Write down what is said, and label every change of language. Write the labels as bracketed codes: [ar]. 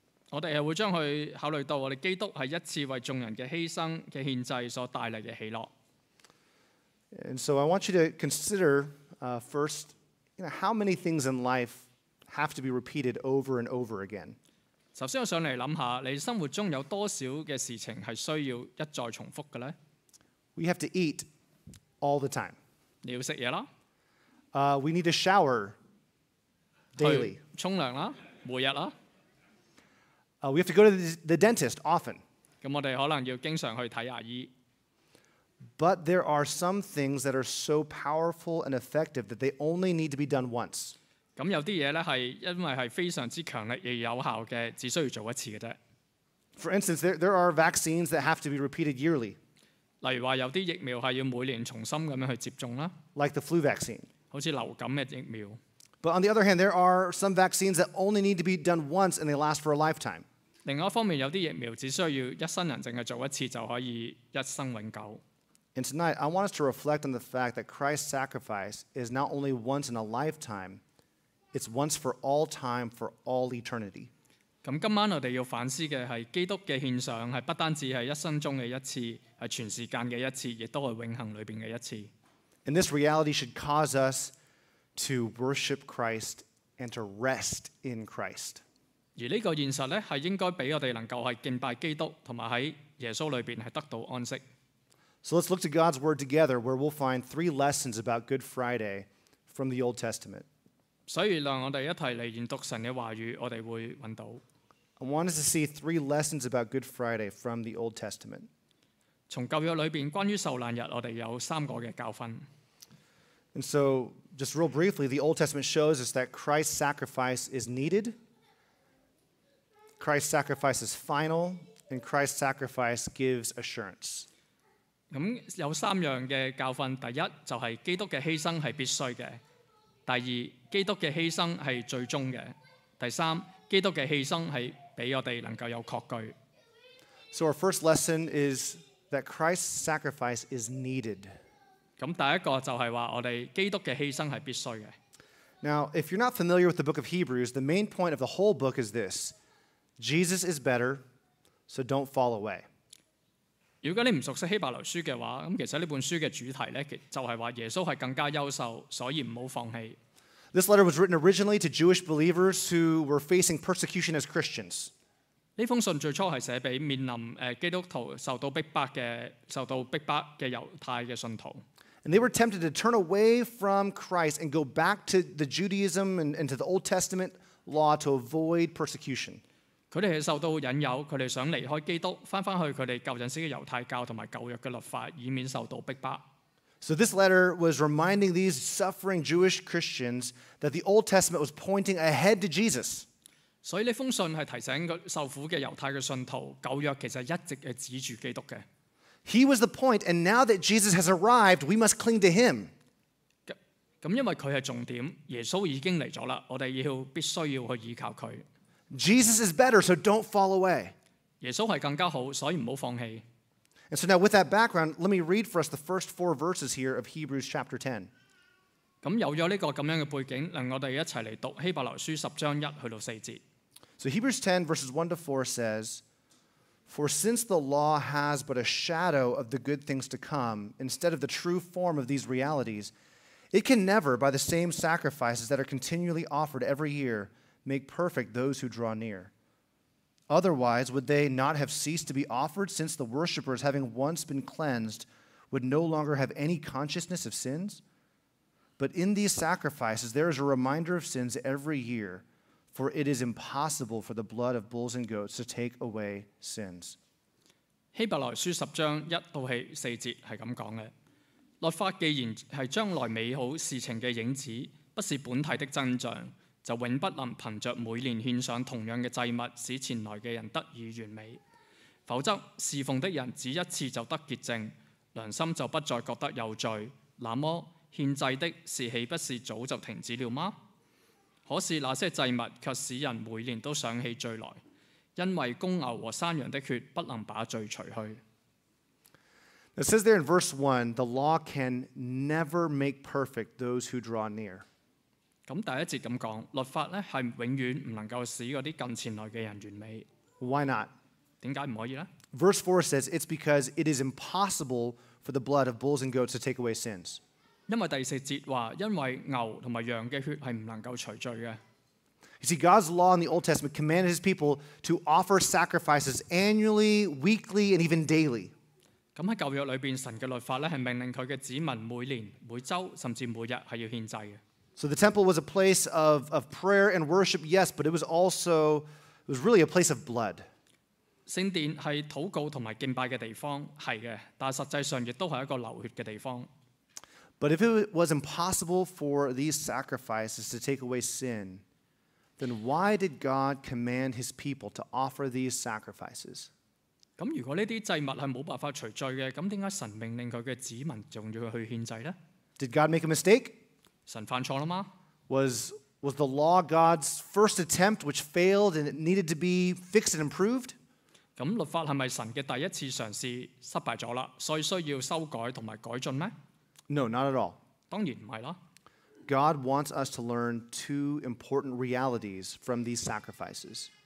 [yue] 我哋系会将佢考虑到我哋基督系一次为众人嘅牺牲嘅献祭所带嚟嘅喜乐。 [en] And so I want you to consider first, you know, how many things in life have to be repeated over and over again. [yue] 首先，我想嚟谂下，你生活中有多少嘅事情系需要一再重复嘅咧 [en] ？We have to eat all the time. [yue] 你要食嘢啦。 [en] We need to shower daily. [yue] 去沖涼啦，每日啦。 [en] We have to go to the dentist often. [yue] 咁我哋可能要经常去睇牙医。 [en] But there are some things that are so powerful and effective that they only need to be done once. [yue] 咁有啲嘢咧系因为系非常之强力而有效嘅，只需要做一次嘅啫。 [en] For instance, there are vaccines that have to be repeated yearly. [yue] 例如话有啲疫苗系要每年重新咁样去接种啦。 [en] Like the flu vaccine. [yue] 好似流感嘅疫苗。 [en] But on the other hand, there are some vaccines that only need to be done once and they last for a lifetime. [yue] 另一方面，有啲疫苗只需要一生人净系做一次就可以一生永久。 [en] And tonight, I want us to reflect on the fact that Christ's sacrifice is not only once in a lifetime, it's once for all time, for all eternity. [yue] 咁今晚我哋要反思嘅系基督嘅献上系不单止系一生中嘅一次，系全时间嘅一次，亦都系永恒里边嘅一次。 [en] And this reality should cause us to worship Christ and to rest in Christ. [yue] 而呢个现实咧，系应该俾我哋能够系敬拜基督，同埋喺耶稣里边系得到安息。 [en] So let's look to God's word together, where we'll find three lessons about Good Friday from the Old Testament. [yue] 所以让我哋一齐嚟研读神嘅话语，我哋会揾到。 [en] I want us to see three lessons about Good Friday from the Old Testament. [yue] 从旧约里边关于受难日，我哋有三个嘅教训。 [en] And so, just real briefly, the Old Testament shows us that Christ's sacrifice is needed, Christ's sacrifice is final, and Christ's sacrifice gives assurance. [yue] 咁有三样嘅教训，第一就系基督嘅牺牲系必须嘅，第二基督嘅牺牲系最终嘅，第三基督嘅牺牲系俾我哋能够有确据。 [en] So our first lesson is that Christ's sacrifice is needed. [yue] 咁第一个就系话我哋基督嘅牺牲系必须嘅。 [en] Now, if you're not familiar with the book of Hebrews, the main point of the whole book is this: Jesus is better, so don't fall away. [yue] 如果你唔熟悉希伯来书嘅话，咁其实呢本书嘅主题咧，就系话耶稣系更加优秀，所以唔好放弃。 [en] This letter was written originally to Jewish believers who were facing persecution as Christians. [yue] 呢封信最初系写俾面临基督徒受到逼迫嘅犹太嘅信徒。 [en] And they were tempted to turn away from Christ and go back to the Judaism and to the Old Testament law to avoid persecution. [yue] 他们是受到引诱，他们想离开基督，翻翻去他们旧阵时的犹太教和旧约的律法，以免受到逼迫。 [en] So this letter was reminding these suffering Jewish Christians that the Old Testament was pointing ahead to Jesus. [yue] 所以这封信是提醒受苦的犹太的信徒，旧约其实一直是指着基督的。 [en] He was the point, and now that Jesus has arrived, we must cling to him. [yue] 因为他是重点，耶稣已经来了，我们要必须要去依靠他。 [en] Jesus is better, so don't fall away. [yue] 耶稣是更加好，所以不要放弃。 [en] And so now with that background, let me read for us the first four verses here of Hebrews chapter 10. [yue] 咁有咗呢个咁样嘅背景，让我哋一齐嚟读希伯来书十章一去到四节。 [en] So Hebrews 10 verses 1 to 4 says, For since the law has but a shadow of the good things to come, instead of the true form of these realities, it can never, by the same sacrifices that are continually offered every year,make perfect those who draw near. Otherwise, would they not have ceased to be offered since the worshippers, having once been cleansed, would no longer have any consciousness of sins? But in these sacrifices, there is a reminder of sins every year, for it is impossible for the blood of bulls and goats to take away sins. [yue] 希伯来书十章一到四节是这样讲的。律法既然是将来美好事情的影子，不是本体的真相，就永不能凭着每年献上同样的祭物使前来的人得以完美，否则侍奉的人只一次就得洁净，良心就不再觉得有罪，那么献祭的事岂不是早就停止了吗？可是那些祭物却使人每年都想起罪来，因为公牛和山羊的血不能把罪除去。 [en] It says there in verse 1, the law can never make perfect those who draw near. [yue] 咁第一節咁講，律法咧係永遠唔能夠使嗰啲近前來嘅人完美。 [en] Why not？ [yue] 點解唔可以咧 [en] ？Verse 4 says it's because it is impossible for the blood of bulls and goats to take away sins。 [yue] 因為第四節話，因為牛同埋羊嘅血係唔能夠除罪嘅。 [en] You see, God's law in the Old Testament commanded His people to offer sacrifices annually, weekly, and even daily。 [yue] 咁喺舊約裏邊，神嘅律法咧係命令佢嘅子民每年、每週甚至每日係要獻祭嘅。 [en] So the temple was a place of prayer and worship, yes, but it was also, it was really a place of blood. [yue] 圣殿是祷告和敬拜的地方，是的，但实际上也是一个流血的地方。 [en] But if it was impossible for these sacrifices to take away sin, then why did God command his people to offer these sacrifices? [yue] 咁如果呢啲祭物系冇办法除罪嘅，咁点解神命令佢嘅子民仲要去献祭咧？ [en] Did God make a mistake? [yue] 神犯错了吗？ [en] Was the law God's first attempt, which failed and it needed to be fixed and improved? [yue] 咁律法系咪神嘅第一次尝试失败咗啦，所以需要修改同埋改进咩？ [en] No, not at all. [yue] 当然唔系啦。 [en] God wants us to learn two important realities from these sacrifices.